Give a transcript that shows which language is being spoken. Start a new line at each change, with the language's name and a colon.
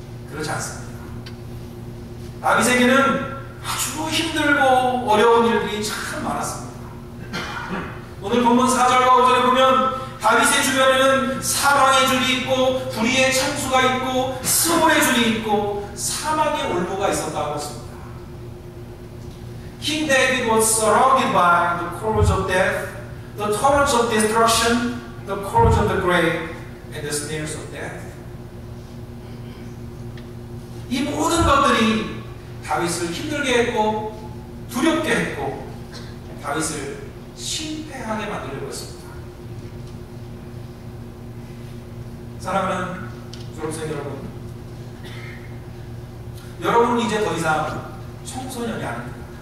Korean: 그렇지 않습니다. 다윗에게는 아주 힘들고 어려운 일들이 참 많았습니다. 오늘 본문 4절과 5절에 보면 다윗의 주변에는 사망의 줄이 있고 불의의 창수가 있고 스몰의 줄이 있고 사망의 올무가 있었다고 했습니다.
English: King David was surrounded by the corpse of death, the torrents of destruction, the corpse of the grave, and the snares of death.
Korean: 이 모든 것들이 다윗을 힘들게 했고 두렵게 했고 다윗을 심폐하게 만들려고 했습니다. 사랑하는 졸업생 여러분, 여러분은 이제 더 이상 청소년이 아닙니다.